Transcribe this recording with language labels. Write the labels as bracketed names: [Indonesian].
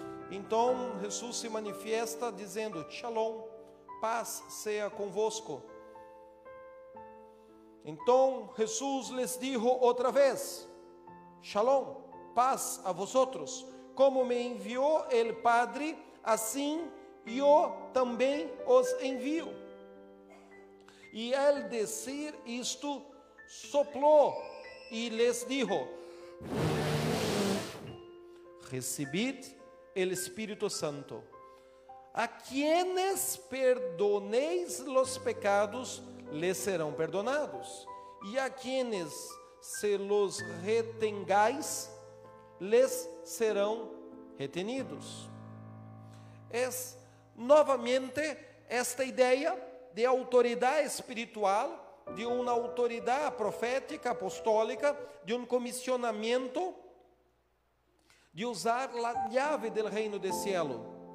[Portuguese] Então Jesus se manifesta dizendo: Shalom, paz seja convosco. Então [Spanish] Jesus les dijo [Portuguese] outra vez: [Spanish] Shalom, paz a vosotros. [Portuguese] Como me enviou [Spanish] el Padre, [Portuguese] assim eu também os envio. E [Spanish] al decir [Portuguese] isto, [Spanish] soplou e les dijo: Recibid el Espíritu Santo. A quienes perdonéis los pecados, les [Portuguese] serão [Spanish] perdonados. E a quienes se los retengáis, les [Portuguese] serão [Spanish] retenidos. [Portuguese] É novamente esta ideia de autoridade espiritual, de uma autoridade profética, apostólica, de um comissionamento de usar a llave do reino [Spanish] de cielo.